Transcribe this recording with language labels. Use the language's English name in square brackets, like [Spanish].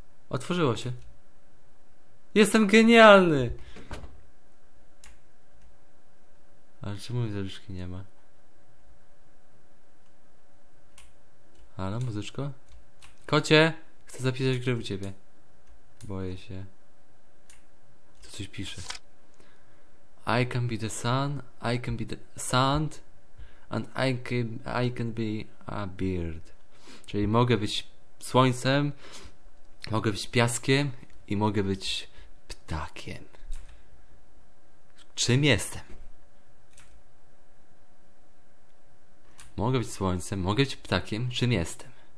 [Polish] Otworzyło się. Jestem genialny! Ale czemu muzyczki nie ma? Halo, muzyczko? Kocie! Chcę zapisać grę u ciebie. Boję się. Tu coś pisze. [English] I can be the sun, I can be the sand, and I can be a bird. [Polish] Czyli mogę być słońcem, mogę być piaskiem i mogę być ptakiem. Czym jestem? Mogę być słońcem, mogę być ptakiem. Czym jestem?